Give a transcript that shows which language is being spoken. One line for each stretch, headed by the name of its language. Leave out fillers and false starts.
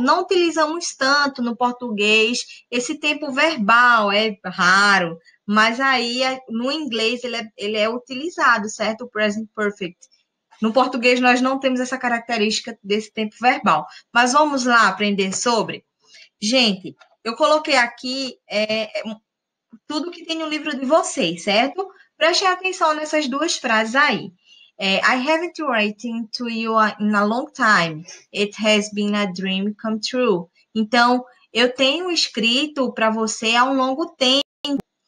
Portuguese: Não utilizamos tanto no português esse tempo verbal, é raro, mas aí no inglês ele é utilizado, certo? O present perfect. No português nós não temos essa característica desse tempo verbal. Mas vamos lá aprender sobre. Gente, eu coloquei aqui tudo que tem no livro de vocês, certo? Prestem atenção nessas duas frases aí.
English: I haven't written to you in a long time. It has been a dream come true.
Portuguese: Então, eu tenho escrito para você há um longo tempo.